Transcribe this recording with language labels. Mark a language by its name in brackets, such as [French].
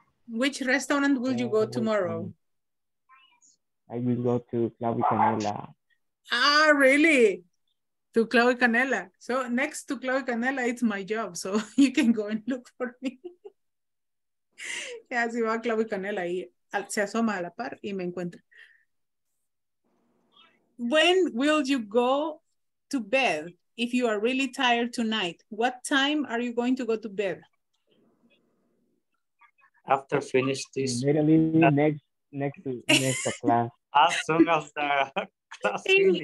[English] Which restaurant will you go tomorrow? I will go to Clavo y Canela. Ah, really? To Clavo y Canela. So next to Clavo y Canela, it's my job. So you can go and look for me. [Spanish] Yeah, si va a Clavo y Canela y se asoma a la par y me encuentra. [English] When will you go to bed if you are really tired tonight? What time are you going to go to bed? After finish this. Literally next class. As soon as the class finish.